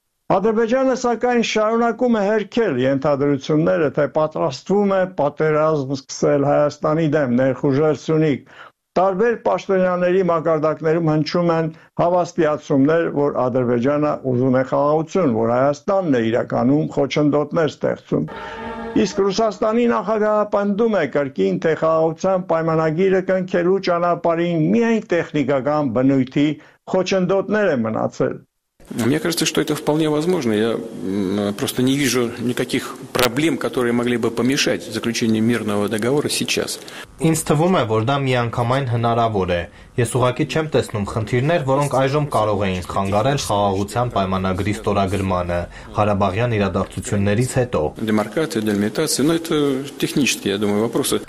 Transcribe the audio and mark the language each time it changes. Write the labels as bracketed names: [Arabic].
[Armenian] Ադրբեջանը սակայն շարունակում է հերքել ենթադրությունները, թե պատրաստվում է պատերազմ սկսել Հայաստանի դեմ, ներխուժել Սյունիք։ Տարբեր պաշտոնյաների մակարդակներում հնչում են հավաստիացումներ, որ Ադրբեջանը ուզում է խաղաղություն, որ Հայաստանն է իրականում խոչընդոտներ ստեղծում։ Իսկ Ռուսաստանի նախագահը պնդում է կրկին, թե խաղաղության պայմանագիրը կնքելու ճանապարհին միայն տեխնիկական բնույթի խոչընդոտներ է մնացել։ [Russian] Мне кажется, что это вполне возможно. Я просто не вижу никаких проблем, которые могли бы помешать заключению мирного договора сейчас. [Armenian] Ինստվում է, որ դա միանգամայն հնարավոր է։ Ես ուղղակի չեմ տեսնում խնդիրներ, որոնք այժմ կարող էին խանգարել խաղաղության պայմանագրի ստորագրմանը Ղարաբաղյան իրադարձություններից հետո։ [Russian] Демаркация, дельмитация, но это технические, я думаю, вопросы.